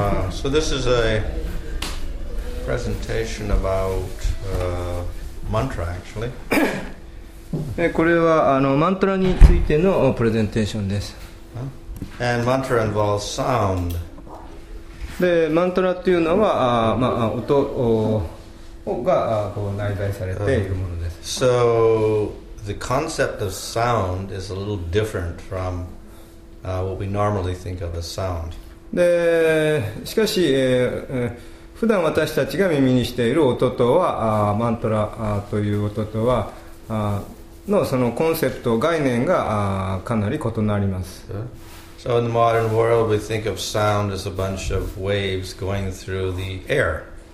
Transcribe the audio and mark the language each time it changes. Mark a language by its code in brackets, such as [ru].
[en] So this is a presentation about mantra, actually. [ja] これはマントラについてのプレゼンテーションです。 [en] And mantra involves sound. [ja] で、マントラというのは音が内在されているものです。 [en] So the concept of sound is a little different from what we normally think of as sound. [ja] でしかし、普段私たちが耳にしている音とはマントラという音とはのそのコンセプト概念がかなり異なります。 [en] So in the modern world, we think of sound as a bunch of waves going through the air.